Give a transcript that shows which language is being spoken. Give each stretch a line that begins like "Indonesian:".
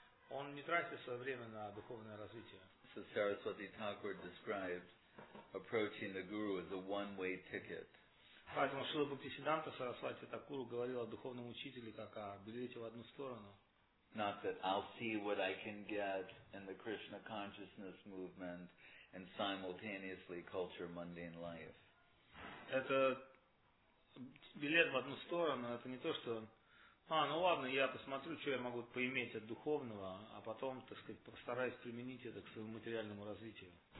Russian: Он не тратит свое время на духовное развитие.
English: So Saraswati Thakur described approaching the guru as a one-way ticket.
Russian: Поэтому Шрила Бхактисиддханта Сарасвати Такуру говорил о духовном учителе как о билете в одну сторону.
English: Not that I'll see what I can get in the Krishna consciousness movement and simultaneously culture mundane life.
Russian: Это билет в одну сторону, это не то, что ну ладно, я посмотрю, что я могу поиметь от духовного, а потом, так сказать, постараюсь применить это к своему материальному развитию.